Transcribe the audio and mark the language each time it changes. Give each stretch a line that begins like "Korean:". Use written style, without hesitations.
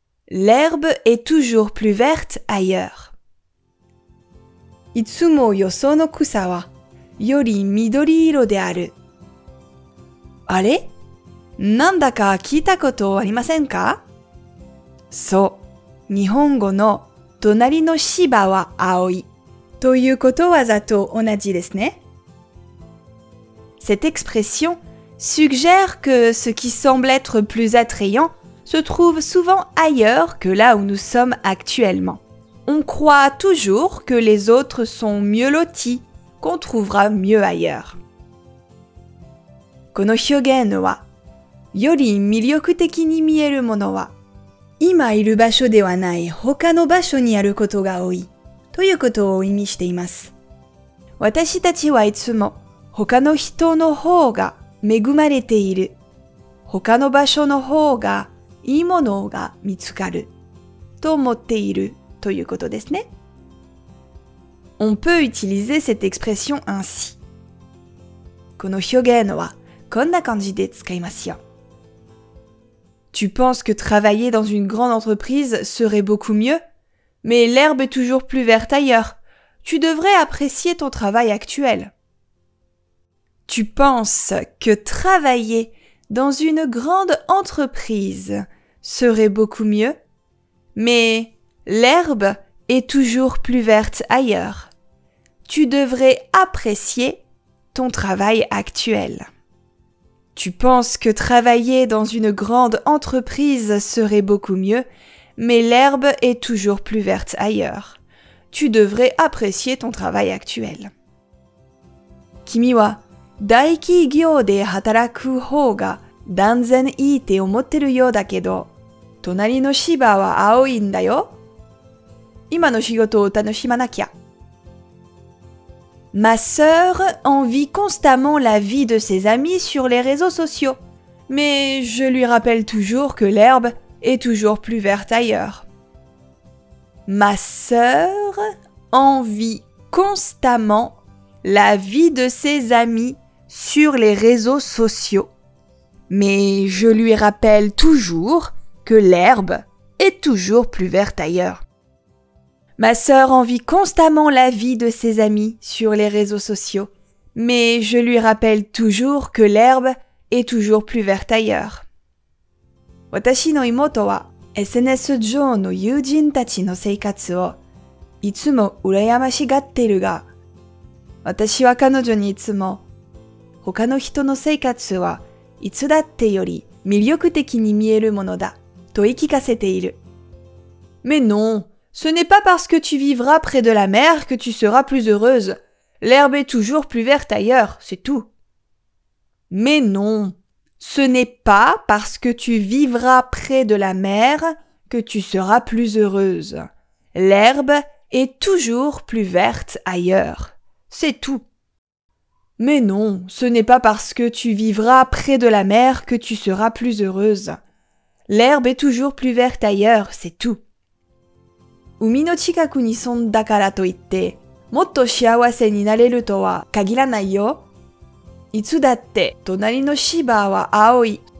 French: L'herbe est toujours plus verte ailleurs.
Japanese: いつもよその草はより緑色である。あれ？なんだか聞いたことありませんか？そう。日本語の隣の芝は青い。ということわざと同じですね。
French: Cette expression suggère que ce qui semble être plus attrayant se trouve souvent ailleurs que là où nous sommes actuellement. On croit toujours que les autres sont mieux lotis, qu'on trouvera mieux ailleurs.
Japanese: この表現は、より魅力的に見えるものは、今いる場所ではない他の場所にあることが多いということを意味しています。私たちはいつも他の人の方が恵まれている、他の場所の方がいいものが見つかると思っているということですね。
French: On peut utiliser cette expression ainsi.
Japanese: この表現はこんな感じで使いますよ。
French: Tu penses que travailler dans une grande entreprise serait beaucoup mieux? Mais l'herbe est toujours plus verte ailleurs. Tu devrais apprécier ton travail actuel. Tu penses que travailler dans une grande entreprise serait beaucoup mieux? Mais l'herbe est toujours plus verte ailleurs. Tu devrais apprécier ton travail actuel. Tu penses que travailler dans une grande entreprise serait beaucoup mieux, mais l'herbe est toujours plus verte ailleurs. Tu devrais apprécier ton travail actuel.
Japanese: 君は大企業で働く方が断然いいって思ってるようだけど、隣の芝は青いんだよ。今の仕事を楽しまなきゃ。
French: Ma sœur envie constamment la vie de ses amis sur les réseaux sociaux. Mais je lui rappelle toujours que l'herbe est toujours plus verte ailleurs. Ma sœur envie constamment la vie de ses amis sur les réseaux sociaux. Mais je lui rappelle toujours que l'herbe est toujours plus verte ailleurs. Ma sœur envie constamment la vie de ses amis sur les réseaux sociaux, mais je lui rappelle toujours que l'herbe est toujours plus verte ailleurs.
Japanese: 私の妹は SNS 上の友人たちの生活をいつも羨ましがっているが、私は彼女にいつも他の人の生活はいつだってより魅力的に見えるものだと言い聞かせている。
French: Mais non! Ce n'est pas parce que tu vivras près de la mer que tu seras plus heureuse. L'herbe est toujours plus verte ailleurs, c'est tout. Mais non, ce n'est pas parce que tu vivras près de la mer que tu seras plus heureuse. L'herbe est toujours plus verte ailleurs, c'est tout. Mais non, ce n'est pas parce que tu vivras près de la mer que tu seras plus heureuse. L'herbe est toujours plus verte ailleurs, c'est tout.
Japanese: 海の近くに住んだからといって、もっと幸せになれるとは限らないよ。いつだって隣の芝は青い。